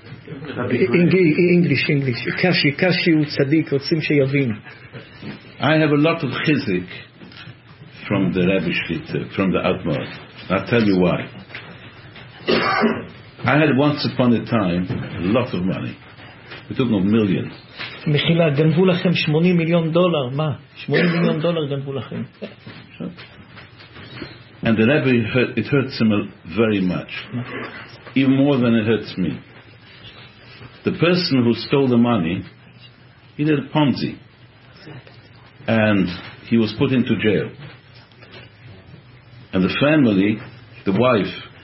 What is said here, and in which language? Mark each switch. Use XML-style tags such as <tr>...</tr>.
<en>English, English. Kashi, kashi u tzadik, rotzim sheyavim. I have a lot of chizik from the Rabbi Shlita, from the Admor. I'll tell you why. I had once upon a time a lot of money. We took not millions.</en> <he>מחילה, גנבו לכם 80 מיליון דולר. מה? 80 מיליון דולר גנבו לכם.</he> <en>And the Rabbi, it hurts him very much. Even more than it hurts me. The person who stole the money, he did a Ponzi. And he was put into jail. And the family, the wife,</en>